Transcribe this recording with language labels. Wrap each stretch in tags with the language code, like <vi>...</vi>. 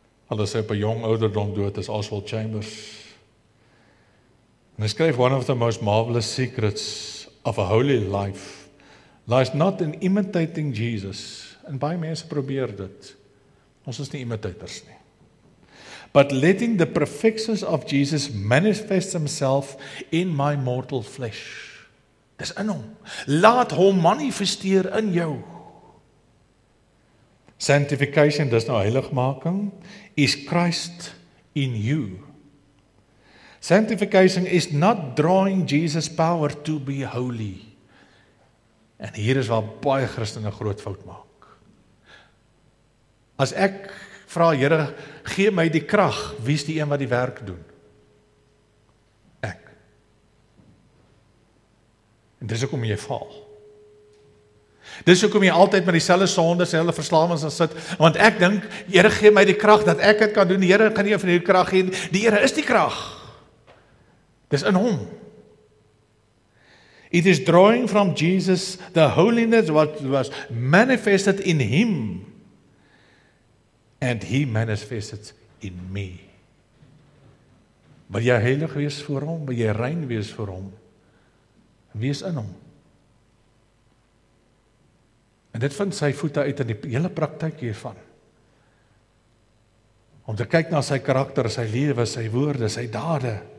<af>Al is hy op 'n jong ouderdom dood, is Oswald Chambers. En hy skryf,</af> <en>one of the most marvelous secrets of a holy life lies not in imitating Jesus.</en> <af>En baie mense probeer dit. Ons is nie imitators nie.</af> <en>But letting the perfections of Jesus manifest himself in my mortal flesh.</en> <af>Dis in hom. Laat hom manifesteer in jou.</af> <en>Sanctification,</en> <af>dis nou heiligmaking,</af> <en>is Christ in you. Sanctification is not drawing Jesus' power to be holy.</en> <af>En hier is waar baie Christene groot fout maak. As ek vra, Here, gee my die krag, wie is die een wat die werk doen? En dis ook om jy val. Dis ook om jy altyd met die selle sonde, selle verslawings aan sit, want ek dink, Here gee my die krag, dat ek het kan doen, die Here kan nie van die krag gee, die Here is die krag. Dis in hom.</af> <en>It is drawing from Jesus, the holiness what was manifested in him, and he manifested in me.</en> <af>Wil jy heilig wees voor hom, wil jy rein wees voor hom, wees in hom. En dit vind sy voete uit in die hele praktijk hiervan. Om te kyk na sy karakter, sy lewe, sy woorde, sy dade.</af>